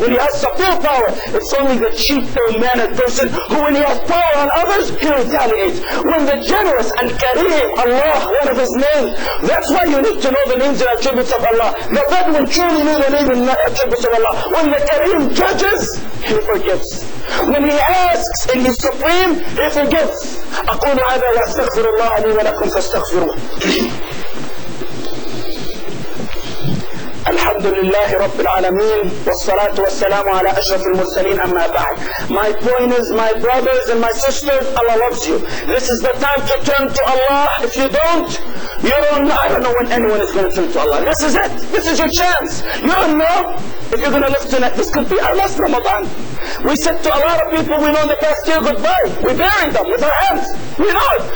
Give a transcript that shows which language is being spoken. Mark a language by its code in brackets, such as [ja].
[en] When he has the full power, it's only the cheap, ill-mannered person who, when he has power on others, he retaliates. When the generous and Kareem, Allah, one of his names, that's why you need to know the names and attributes of Allah. The Bedouin truly knew the name and attributes of Allah. When the Kareem judges, he forgives. When he asks and he's supreme, he forgives. [ar] أقول هذا لا استغفر الله لي ولكم فاستغفروه. الحمد لله رب العالمين والصلاة والسلام على أشرف المرسلين أما بعد. [en] My point is, my brothers and my sisters, Allah loves you. This is the time to turn to Allah. If you don't, you don't know. I don't know when anyone is going to turn to Allah. This is it. This is your chance. You don't know if you're going to live tonight. This could be our last Ramadan. We said to a lot of people we know in the past year goodbye. We buried them with our hands. We know.